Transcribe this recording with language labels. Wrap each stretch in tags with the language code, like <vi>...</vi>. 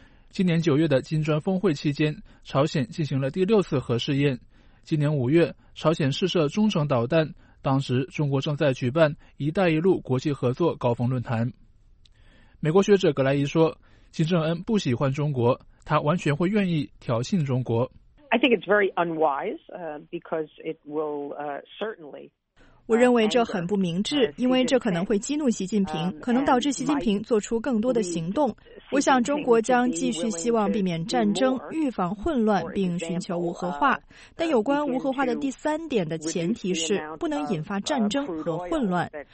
<zh>今年9月的金砖峰会期间，朝鲜进行了第6次核试验。今年5月，朝鲜试射中程导弹，当时中国正在举办“一带一路”国际合作高峰论坛。美国学者葛莱仪说，金正恩不喜欢中国，他完全会愿意挑衅中国。</zh> <en>I think it's very unwise, because it will certainly.</en> <zh>我认为这很不明智，因为这可能会激怒习近平，可能导致习近平做出更多的行动。我想中国将继续希望避免战争，预防混乱，并寻求无核化。但有关无核化的3点的前提是不能引发战争和混乱。</zh>